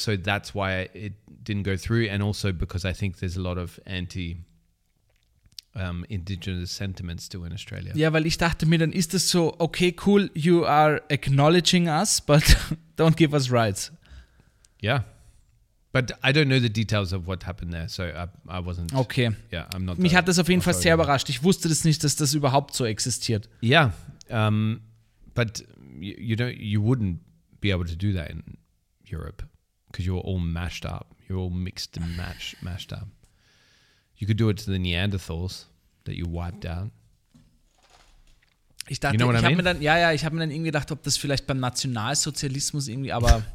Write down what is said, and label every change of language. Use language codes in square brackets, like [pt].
[en] So that's why it didn't go through, and also because I think there's a lot of indigenous sentiments still in Australia. [de] Ja, weil ich dachte mir, dann ist das so, okay, cool, [en] you are acknowledging us, but don't give us rights. Yeah. But I don't know the details of what happened there, so I wasn't... Okay. Yeah, I'm not... [de] Mich hat das auf jeden Fall sehr überrascht. Ich wusste das nicht, dass das überhaupt so existiert. [en] Yeah. But you wouldn't be able to do that in Europe, because you're all mashed up. You're all mixed and mashed up. You could do it to the Neanderthals that you wiped out. [de] Ich dachte, [en] you know what I mean? [de] Ich habe mir dann irgendwie gedacht, ob das vielleicht beim Nationalsozialismus irgendwie, aber...